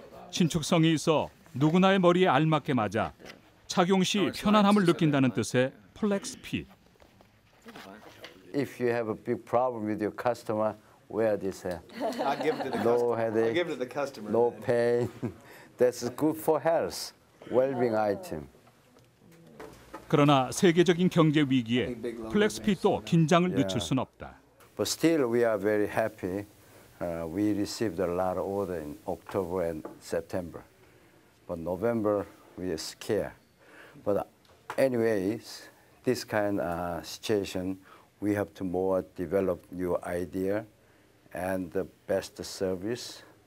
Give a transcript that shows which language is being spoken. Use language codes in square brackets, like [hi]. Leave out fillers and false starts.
[ko] 신축성이 있어 누구나의 머리에 알맞게 맞아 착용 시 편안함을 느낀다는 뜻의 플렉스핏. [en] If you have a big problem with your customer, wear this hat. I give it to the customer. No headache. I give it to the customer. No pain. That's good for health. Well-being item. [ko] 그러나 세계적인 경제 위기에 플렉스핏도 긴장을 늦출 순 없다. [en] But still we are very happy. We received a lot of order in October and September. But November, we are scared. But anyways, this kind of situation, we have to more develop new idea and the best service.